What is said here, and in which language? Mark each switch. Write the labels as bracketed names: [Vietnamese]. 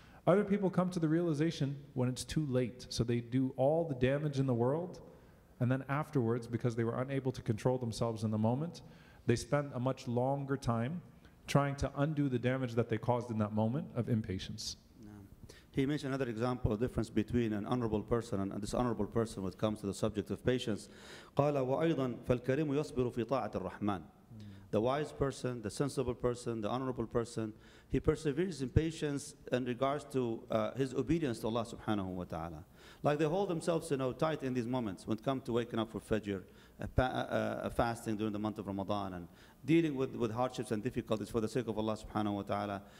[English] Other people come to the realization when it's too late. So they do all the damage in the world, and then afterwards, because they were unable to control themselves in the moment, they spend a much longer time trying to undo the damage that they caused in that moment of impatience. He mentioned another example of difference between an honorable person and a dishonorable person when it comes to the subject of patience. [Arabic] قال وأيضا فالكريم يصبر في طاعة الرحمن. [English] The wise person, the sensible person, the honorable person, he perseveres in patience in regards to his obedience to Allah subhanahu wa ta'ala. Like they hold themselves, you know, tight in these moments when it comes to waking up for Fajr, fasting during the month of Ramadan, and dealing with hardships and difficulties for the sake of Allah subhanahu wa ta'ala.